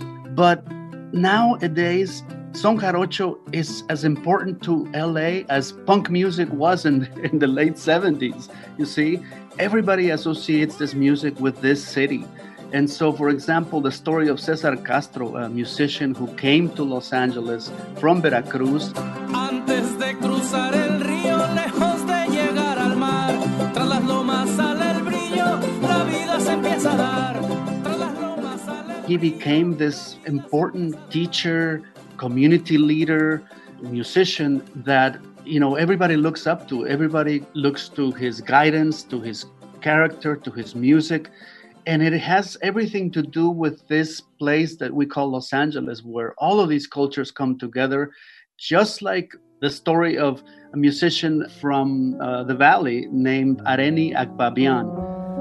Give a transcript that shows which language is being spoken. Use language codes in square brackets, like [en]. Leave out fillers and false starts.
[en] But nowadays, Son Jarocho is as important to L.A. as punk music was in the late 70s. You see, everybody associates this music with this city. And so, for example, the story of Cesar Castro, a musician who came to Los Angeles from Veracruz. [es] Antes de cruzar el río, lejos de llegar al mar, tras las lomas sale el brillo, la vida se empieza a dar. [en] He became this important teacher, community leader, musician that, you know, everybody looks up to. Everybody looks to his guidance, to his character, to his music. And it has everything to do with this place that we call Los Angeles, where all of these cultures come together, just like the story of a musician from the Valley named Areni Agbabian.